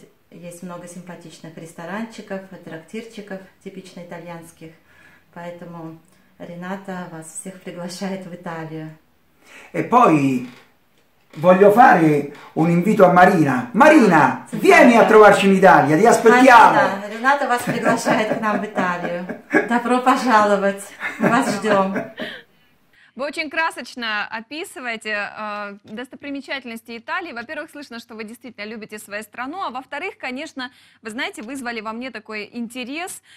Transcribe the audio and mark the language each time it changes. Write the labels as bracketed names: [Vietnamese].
[Russian] Есть много симпатичных ресторанчиков, трактирчиков типично итальянских. Поэтому Рената вас всех приглашает в Италию. [Italian] E poi voglio fare un invito a Marina. Marina, vieni a trovarci in Italia, ti aspettiamo. [Russian] Рената вас приглашает к нам в Италию. Добро пожаловать. Мы вас ждем. Вы очень красочно описываете достопримечательности Италии. Во-первых, слышно, что вы действительно любите свою страну, а во-вторых, конечно, вы знаете, вызвали во мне такой интерес.